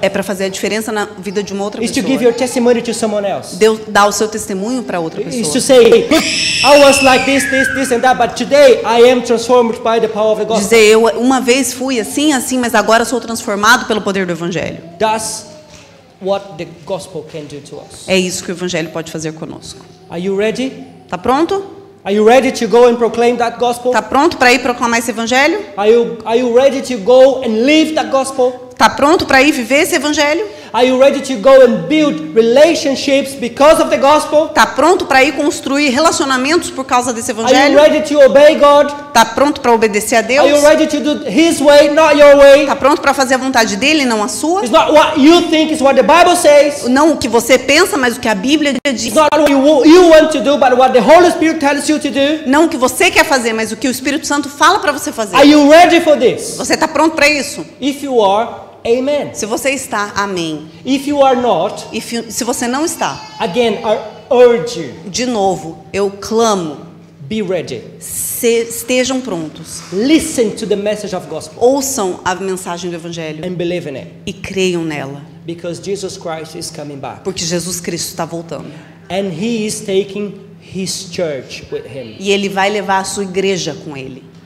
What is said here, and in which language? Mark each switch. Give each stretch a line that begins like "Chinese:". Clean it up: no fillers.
Portuguese: É para fazer a diferença na vida de uma outra
English: It's
Portuguese: pessoa.
English: To give your testimony to someone else.
Portuguese: Deus dá o seu testemunho para outra pessoa.
English: It's to say, I was like this, this, this and that, but today I am transformed by the power of the gospel.
Portuguese: Dizer, eu uma vez fui assim, assim, mas agora sou transformado pelo poder do evangelho.
English: That's what the gospel can do to us.
Portuguese: É isso que o evangelho pode fazer conosco.
English: Are you ready?
Portuguese: Tá pronto?
English: Are you ready to go and proclaim that gospel?
Portuguese: Tá pronto para ir proclamar esse evangelho?
English: Are you ready to go and live that gospel?
Portuguese: Tá pronto para ir viver esse evangelho?
English: Are you ready to go and build relationships because of the gospel?
Portuguese: Tá pronto para ir construir relacionamentos por causa desse evangelho?
English: Are you ready to obey God?
Portuguese: Tá pronto para obedecer a Deus?
English: Are you ready to do His way, not your way?
Portuguese: Tá pronto para fazer a vontade dele, não a sua?
English: It's not what you think, it's what the Bible says.
Portuguese: Não o que você pensa, mas o que a Bíblia diz.
English: It's not what you want to do, but what the Holy Spirit tells you to do.
Portuguese: Não o que você quer fazer, mas o que o Espírito Santo fala para você fazer.
English: Are you ready for this?
Portuguese: Você tá pronto para isso?
English: If you are, amen.
Portuguese: Se você está, amém.
English: If you are not,
Portuguese: se você não está,
English: again, I urge you.
Portuguese: De novo, eu clamo.
English: Be ready.
Portuguese: Estejam prontos.
English: Listen to the message of gospel.
Portuguese: Ouçam a mensagem do evangelho.
English: And believe in it.
Portuguese: E creiam nela.
English: Because Jesus Christ is coming back.
Portuguese: Porque Jesus Cristo está voltando.
English: And he is taking his church with him.
Portuguese: E ele vai levar a sua igreja com ele.